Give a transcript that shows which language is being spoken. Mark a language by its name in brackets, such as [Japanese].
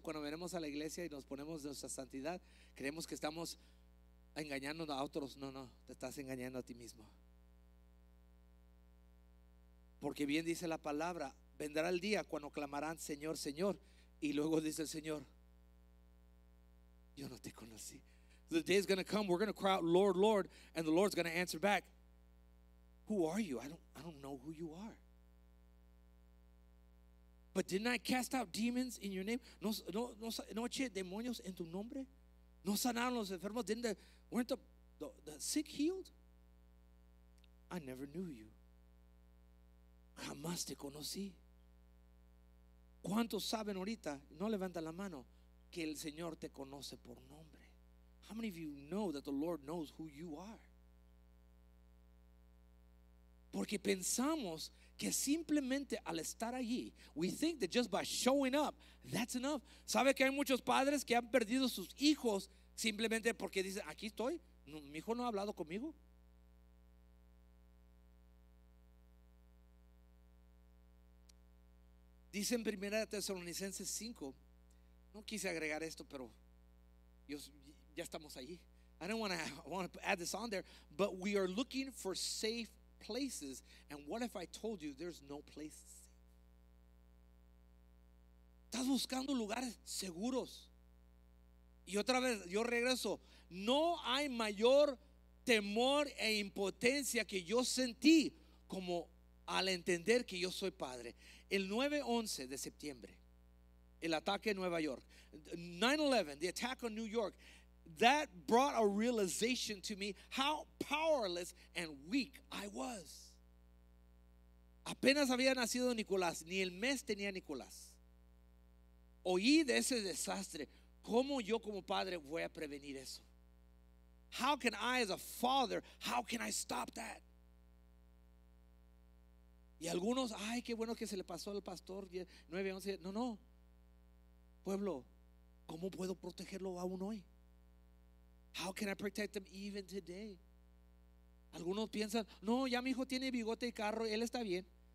[Spanish] Cuando venimos a la iglesia y nos ponemos nuestra santidad, creemos que estamos engañando a otros. No, no, te estás engañando a ti mismo. Porque bien dice la palabra, vendrá el día cuando clamarán Señor, Señor, y luego dice el Señor, yo no te conocí. [English] The day is going to come, we're going to cry out, Lord, Lord, and the Lord's going to answer back, who are you? I don't know who you are. But didn't I cast out demons in your name? [Spanish] No eché demonios en tu nombre? No sanaron los enfermos? [English] Weren't the sick healed? I never knew you. [Spanish] Jamás te conocí. ¿Cuántos saben ahorita? No levanta la mano que el Señor te conoce por nombre. [English] How many of you know that the Lord knows who you are? [Spanish] Porque pensamos que simplemente al estar allí, [English] we think that just by showing up, that's enough. [Spanish] ¿Sabe que hay muchos padres que han perdido sus hijos simplemente porque dicen, aquí estoy, mi hijo no ha hablado conmigo? Dice en 1 Tesalonicenses 5, no quise agregar esto, pero Dios. Ya estamos allí. [English] I want to add this on there, but we are looking for safe places. And what if I told you there's no place safe? [Spanish] Estás buscando lugares seguros. Y otra vez yo regreso, no hay mayor temor e impotencia que yo sentí como al entender que yo soy padre. El 9-11 de septiembre, el ataque en Nueva York, 9-11, [English] the attack on New York, that brought a realization to me how powerless and weak I was. [Spanish] Apenas había nacido Nicolás, ni el mes tenía Nicolás. Oí de ese desastre. ¿Cómo yo como padre voy a prevenir eso? [English] How can I as a father, how can I stop that? [Spanish] Y algunos, ay, qué bueno que se le pasó al pastor 9-11. No, no. Pueblo, ¿cómo puedo protegerlo aún hoy? [English] How can I protect them even today? [Spanish] Algunos piensan, no, ya mi hijo tiene bigote y carro, él está bien.